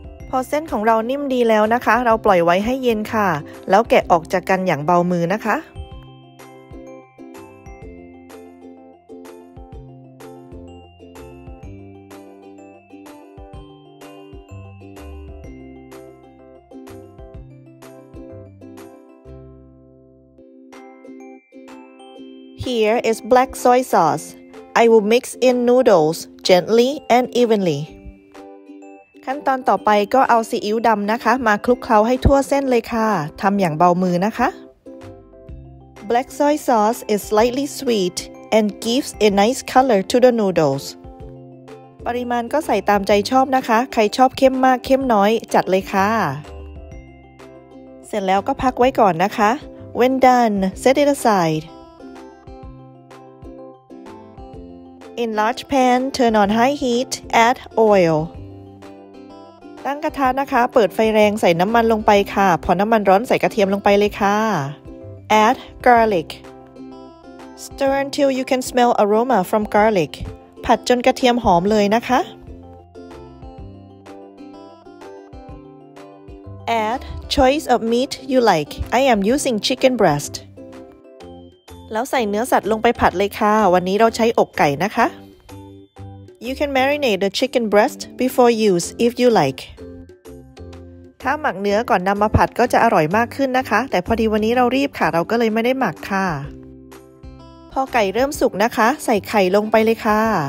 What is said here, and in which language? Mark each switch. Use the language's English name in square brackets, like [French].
[Thai] พอเส้นของเรานิ่มดีแล้วนะคะเราปล่อยไว้ให้เย็นค่ะแล้วแกะออกจากกันอย่างเบามือนะคะ [English] Here is black soy sauce. I will mix in noodles gently and evenly. [Thai] ขั้นตอนต่อไปก็เอาซีอิ๊วดำนะคะมาคลุกเคล้าให้ทั่วเส้นเลยค่ะทำอย่างเบามือนะคะ [English] Black soy sauce is slightly sweet and gives a nice color to the noodles. [Thai] ปริมาณก็ใส่ตามใจชอบนะคะใครชอบเข้มมากเข้มน้อยจัดเลยค่ะเสร็จแล้วก็พักไว้ก่อนนะคะ [English] When done, set it aside. In large pan, turn on high heat, add oil. [Thai] ตั้งกระทะนะคะเปิดไฟแรงใส่น้ำมันลงไปค่ะพอน้ำมันร้อนใส่กระเทียมลงไปเลยค่ะ [English] Add garlic. Stir until you can smell aroma from garlic. [Thai] ผัดจนกระเทียมหอมเลยนะคะ [English] Add choice of meat you like. I am using chicken breast. [Thai] แล้วใส่เนื้อสัตว์ลงไปผัดเลยค่ะวันนี้เราใช้อกไก่นะคะ [English] You can marinate the chicken breast before use if you like [Thai] ถ้าหมักเนื้อก่อนนำมาผัดก็จะอร่อยมากขึ้นนะคะแต่พอดีวันนี้เรารีบค่ะเราก็เลยไม่ได้หมักค่ะพอไก่เริ่มสุกนะคะใส่ไข่ลงไปเลยค่ะ